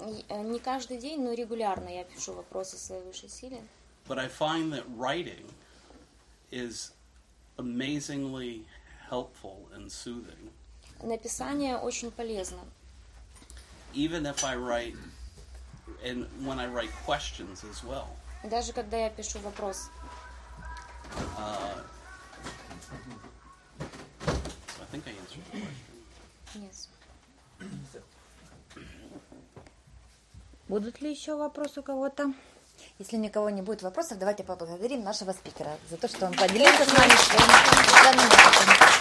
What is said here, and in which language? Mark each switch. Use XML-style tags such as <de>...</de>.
<ru>Не каждый день, но регулярно я пишу вопросы своей высшей силе.</ru> <en>But I find that writing is amazingly helpful and soothing.</en> <ru>Написание очень полезно.</ru> <en>Even if I write, and when I write questions as well.</en> <ru>Даже когда я пишу вопрос.</ru> <en>So I think I answered the question. Yes.</en> <ru>Будут ли еще вопросы у кого-то? Если никого не будет вопросов, давайте поблагодарим нашего спикера за то, что он поделился с нами своим ценным опытом.</ru>